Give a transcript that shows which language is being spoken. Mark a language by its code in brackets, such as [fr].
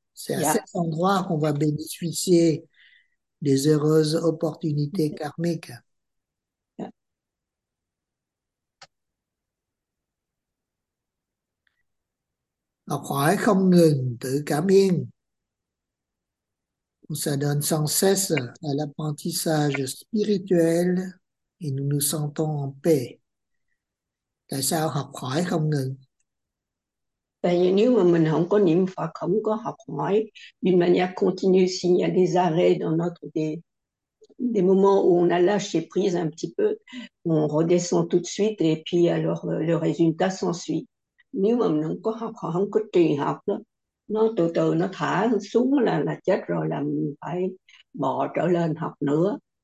[fr] C'est à cet [en] Yeah. [fr] endroit qu'on va bénéficier des heureuses opportunités karmiques. [vi] Học hỏi không ngừng, tự cảm biên. [fr] On se donne sans cesse à l'apprentissage spirituel et nous nous sentons en paix. [vi] Tại sao học hỏi không ngừng? Tại vì nếu mà mình không có niệm Phật, không có học hỏi [fr] d'une manière continue, s'il y a des arrêts dans des moments où on a lâché prise un petit peu, on redescend tout de suite et puis alors le résultat s'ensuit. [vi] Nếu mà mình không có trì học đó, nó từ từ nó thả xuống là chết rồi, là mình phải bò trở lên học nữa.